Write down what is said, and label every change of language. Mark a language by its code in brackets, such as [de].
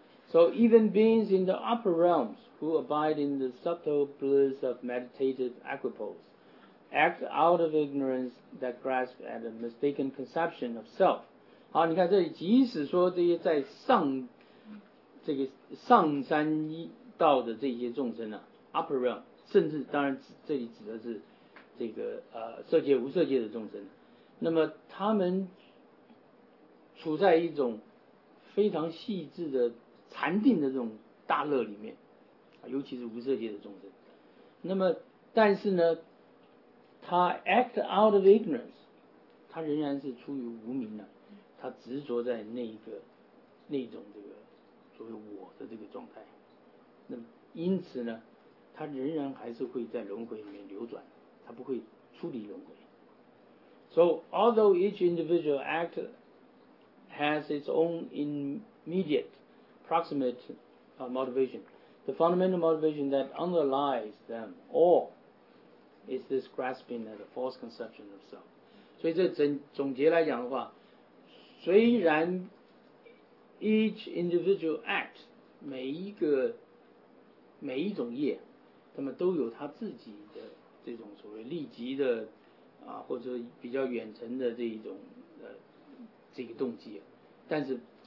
[en] So even beings in the upper realms who abide in the subtle bliss of meditative equipoise act out of ignorance that grasp at a mistaken conception of self. [zh] 好，你看这里，即使说这些在上这个上三道的这些众生啊 ，upper realm， 甚至当然这里指的是这个色界无色界的众生，那么他们处在一种非常细致的禅定的这种大乐里面，尤其是无色界的众生，那么但是呢，他 [en] act out of ignorance， [zh] 他仍然是出于无明的，他执着在那种这个所谓我的这个状态，那么因此呢，他仍然还是会在轮回里面流转，他不会出离轮回。 [en] So although each individual act has its own immediate proximate motivation, the fundamental motivation that underlies them all is this grasping at a false conception of self. [zh] 所以这总结来讲的话，虽然 [en] each individual act [zh] 每一种业，他们都有他自己的这种所谓利己的啊，或者比较远程的这一种这个动机，但是